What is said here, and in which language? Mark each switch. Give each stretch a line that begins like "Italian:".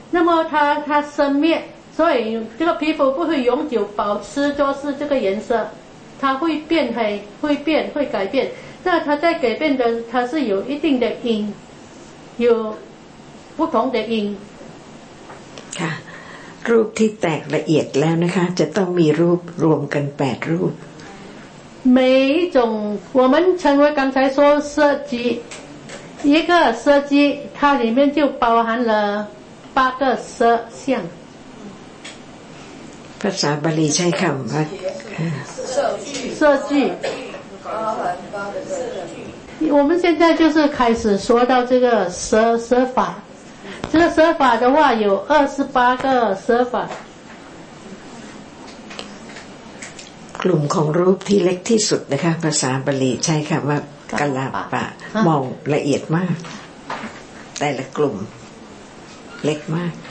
Chinese: 那么它生灭，所以这个皮肤不会永久保持就是这个颜色，它会变黑，会变，会改变。那它在改变的，它是有一定的因，有不同的因。
Thai: ค่ะ รูปที่แตกละเอียดแล้วนะคะจะต้องมีรูปรวมกัน8รูป
Chinese: 每一种我们称为刚才说色即一个色即它里面就包含了八个色相
Thai: ภาษาบาลีใช้คำว่า
Chinese: 色即我们现在就是开始说到这个色法这个色法的话有28个色法
Thai: กลุ่มของรูปที่เล็กที่สุดนะคะภาษาบาลีใช้คำว่ากัลลาปะมองละเอียดมากแต่ละกลุ่มเล็กมาก